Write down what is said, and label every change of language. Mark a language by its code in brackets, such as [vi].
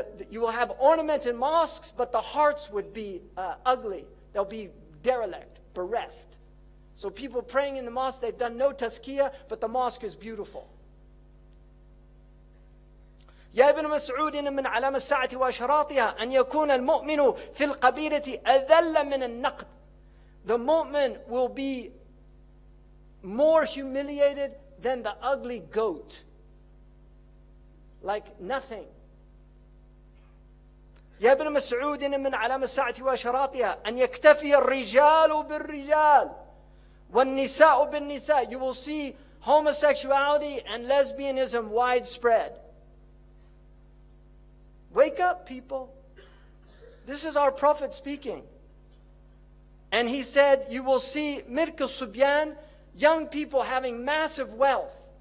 [en] You will have ornamented mosques, but the hearts would be ugly. They'll be derelict, bereft. So people praying in the mosque, they've done no tazkiyah, but the mosque is beautiful. [ar] يا ابن مسعود من علام الساعة وشراطها أن يكون المؤمن في القبيلة أذل من النقد. [en] The mu'min will be more humiliated than the ugly goat. Like nothing. [ar] يا ابن مسعود من علام الساعة وشراطها أن يكتفي الرجال بالرجال والنساء بالنساء. [en] You will see homosexuality and lesbianism widespread. Wake up, people. This is our prophet speaking. And he said, you will see Mirk al-Subyan, young people having massive wealth.